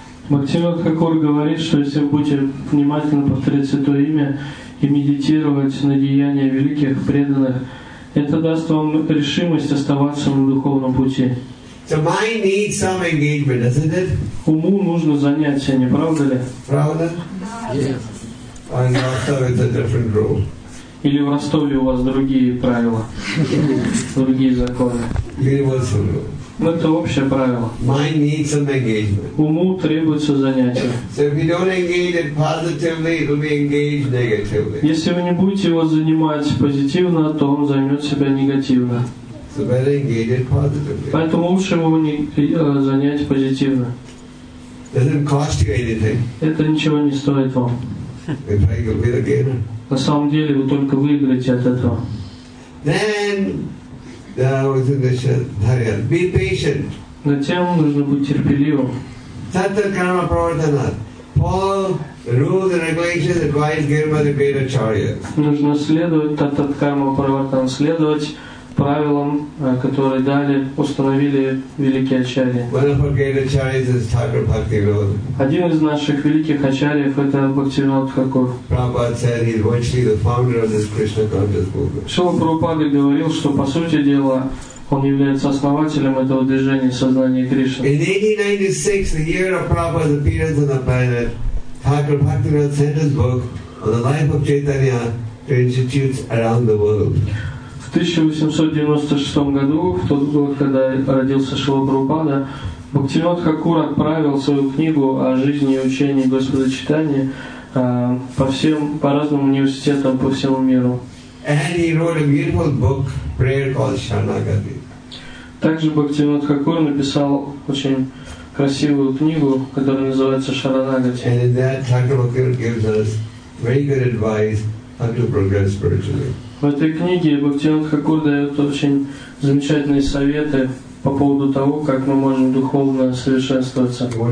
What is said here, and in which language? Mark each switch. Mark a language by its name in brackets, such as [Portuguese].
[Russian] Бхактивинода Тхакура говорит, что если вы будете внимательно повторять Святое Имя и медитировать на деяния великих преданных, это даст вам решимость оставаться на духовном пути. [English] So mind needs some engagement, doesn't it? [Russian] Уму нужно занятие, не правда ли? Правда? Да. [English] Yes. Yes. [Russian] Ростове это [English] different rule. [Russian] Или в Ростове у вас другие правила, другие законы. [English] Universal rule. [Russian] Это общее правило. [English] Mind needs some engagement. [Russian] Уму требуется занятие. [English] So if you don't engage it positively, it will be engaged negatively. [Russian] Если вы не будете его занимать позитивно, то он займет себя негативно. [English] So better engage it positively. [Russian] Поэтому лучше его занять позитивно. [English] Doesn't cost you anything. [Russian] Это ничего не стоит вам. [English] In fact, you'll be the gainer. [Russian] На самом деле вы только выиграете от этого. [English] Then, be patient. [Russian] Затем нужно быть терпеливым. [Sanskrit] Satya karma pravartana. [English] Follow the rules and regulations advised given by the great acharyas. [Russian] Нужно следовать [Sanskrit] Satya karma pravartana, [Russian] следовать правилам, которые дали, установили великие ачарьи. Один из наших великих ачарьев — это Бхактивинода Тхакур. Шрила Прабхупада говорил, что по сути дела он является основателем этого движения сознания Кришны. [English] In 1896, the year of Prabhupada's appearance on the planet, Thakur Bhaktivinoda sent his book on the life of Chaitanya to institutes around the world. [Russian] В 1896 году, в тот год, когда родился Шрила Прабхупада, Бхактивинода Тхакур отправил свою книгу о жизни и учении Господа Чайтаньи по разным университетам по всему миру. [English] And he wrote a beautiful book, prayer called Sharanagati. [Russian] Также Бхактивинода Тхакур написал очень красивую книгу, которая называется Шаранагати. [English] And in that, Thakur Bhaktivinoda gives us very good advice how to progress spiritually. [Russian] В этой книге Бхактивинода Тхакур дает очень замечательные советы по поводу того, как мы можем духовно совершенствоваться.